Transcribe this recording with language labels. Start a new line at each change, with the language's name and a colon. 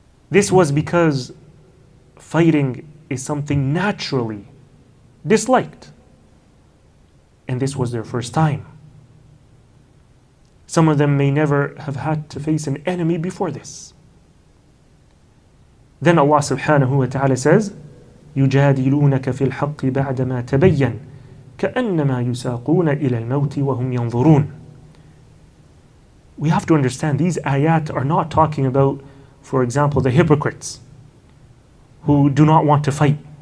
English: This was because fighting is something naturally disliked. And this was their first time. Some of them may never have had to face an enemy before this. Then Allah subhanahu wa ta'ala says,
Arabic: يُجَادِلُونَكَ فِي الْحَقِّ بَعْدَمَا تَبَيَّنْ كَأَنَّمَا يُسَاقُونَ إِلَى الْمَوْتِ وَهُمْ يَنْظُرُونَ.
English: We have to understand these ayat are not talking about, for example, the hypocrites who do not want to fight.